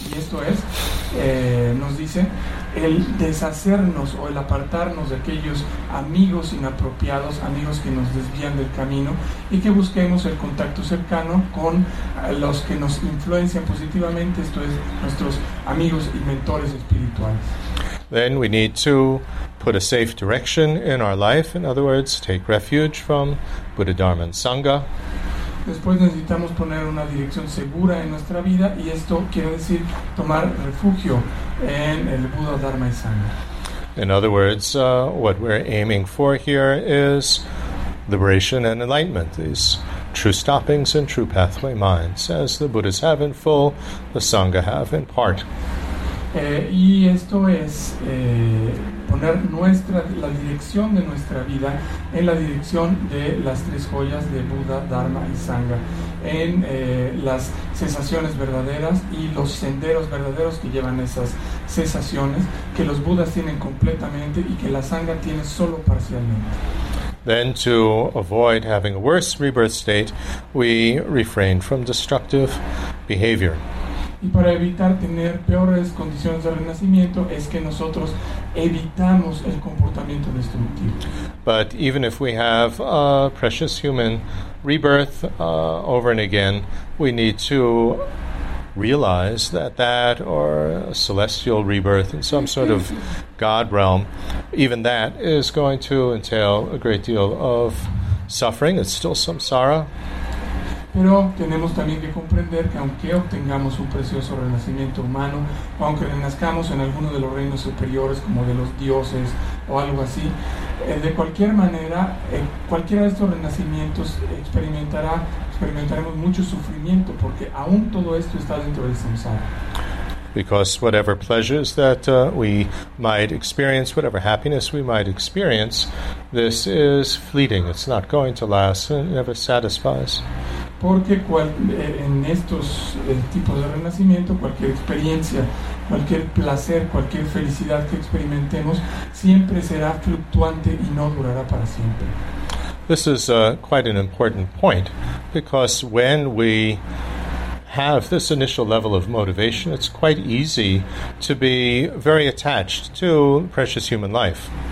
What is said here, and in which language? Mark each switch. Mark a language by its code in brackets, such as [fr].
[es] Y esto es, nos dice, el deshacernos o el apartarnos de aquellos amigos inapropiados, amigos que nos desvían del camino, y que busquemos el contacto cercano con los que nos influencian positivamente, esto es, nuestros amigos y mentores espirituales. [en] Then we need to put a safe direction in our life, in other words, take refuge from Buddha, Dharma, and Sangha. [es] Después necesitamos poner una dirección segura en nuestra vida, y esto quiere decir tomar refugio en el Buddha, Dharma, y Sangha. [en] In other words, what we're aiming for here is liberation and enlightenment, these true stoppings and true pathway minds, as the Buddhas have in full, the Sangha have in part. [es] Y esto es poner la dirección de nuestra vida en la dirección de las tres joyas de Buda, Dharma y Sangha, en las sensaciones verdaderas y los senderos verdaderos que llevan esas sensaciones que los Budas tienen completamente y que la Sangha tiene solo parcialmente. [en] Then to avoid having a worse rebirth state, we refrain from destructive behavior. [es] Y para evitar tener peores condiciones de renacimiento es que nosotros evitamos el comportamiento destructivo. [en] But even if we have a precious human rebirth over and again, we need to realize that or a celestial rebirth in some sort of God realm, even that is going to entail a great deal of suffering. It's still samsara. [es] Pero tenemos también que comprender que aunque obtengamos un precioso renacimiento humano, aunque renazcamos en alguno de los reinos superiores como de los dioses o algo así, de cualquier manera, cualquiera de estos renacimientos experimentaremos mucho sufrimiento porque aún todo esto está dentro del samsara. [en] Because whatever pleasures that we might experience, whatever happiness we might experience, this is fleeting. It's not going to last and it never satisfies. [es] Porque en estos tipos de renacimiento, cualquier experiencia, cualquier placer, cualquier felicidad que experimentemos, siempre será fluctuante y no durará para siempre. [en] This is quite an important point, because when we have this initial level of motivation, it's quite easy to be very attached to precious human life.